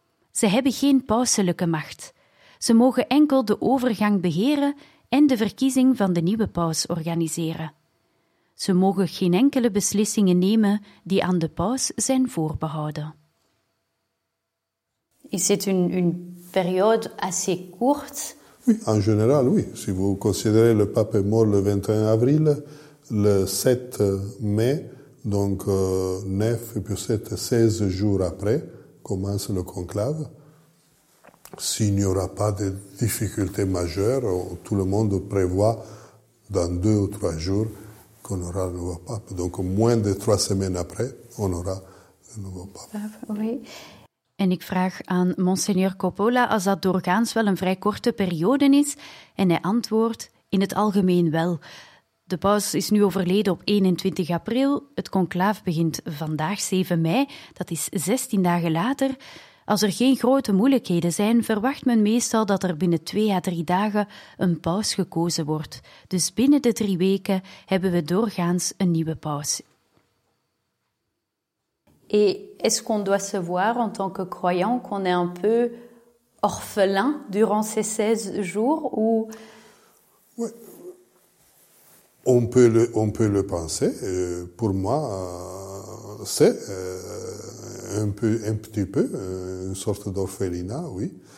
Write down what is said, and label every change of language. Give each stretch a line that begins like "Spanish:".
Dutch: Ze hebben geen pauselijke macht. Ze mogen enkel de overgang beheren en de verkiezing van de nieuwe paus organiseren. Ze mogen geen enkele beslissingen nemen die aan de paus zijn voorbehouden. Is dit een periode
French: assez
Dutch: kort?
French: Oui, en général, oui. Si vous considérez le pape est mort le 21 avril, le 7 mai, donc 9 plus 7, 16 jours après, commence le conclave. S'il n'y aura pas de difficultés majeures, tout le monde prévoit dans 2 ou 3 jours qu'on aura le nouveau pape. Donc moins de 3 semaines après, on aura le nouveau pape. Oui.
Dutch: En ik vraag aan Monseigneur Coppola als dat doorgaans wel een vrij korte periode is. En hij antwoordt, in het algemeen wel. De paus is nu overleden op 21 april. Het conclaaf begint vandaag 7 mei, dat is 16 dagen later. Als er geen grote moeilijkheden zijn, verwacht men meestal dat er binnen 2 à 3 dagen een paus gekozen wordt. Dus binnen de 3 weken hebben we doorgaans een nieuwe paus.
French: Et est-ce qu'on doit se voir en tant que croyant qu'on est un peu orphelin durant ces 16 jours ou... Oui, on peut le penser. Pour moi, c'est un petit peu une sorte d'orphelinat, oui.